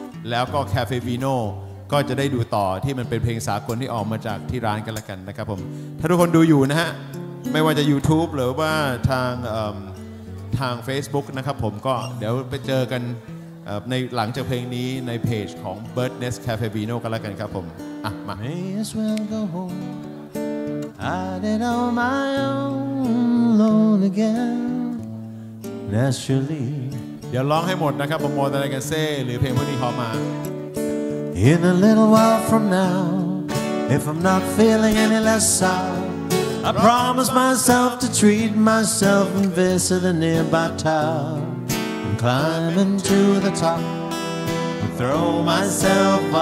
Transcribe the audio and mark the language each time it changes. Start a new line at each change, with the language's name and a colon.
Thai: แล้วก็ Cafe Vino ก็จะได้ดูต่อที่มันเป็นเพลงสากลที่ออกมาจากที่ร้านกันละกันนะครับผมถ้าทุกคนดูอยู่นะฮะไม่ว่าจะ YouTube หรือว่าทาง Facebook นะครับผมก็เดี๋ยวไปเจอกันในหลังจากเพลงนี้ในเพจของ Bird Nest Cafe Vino กันละกันครับผม
English: May as well go home at it on my own alone again naturally
Thai: อย่าร้องให้หมดนะครับผมมอร์ทันไกเซ่หรือเพลงพวกนี้ขอมา
English: In a little while from now if I'm not feeling any less sour I promise myself to treat myself and visit a nearby town and climb into the top and throw myself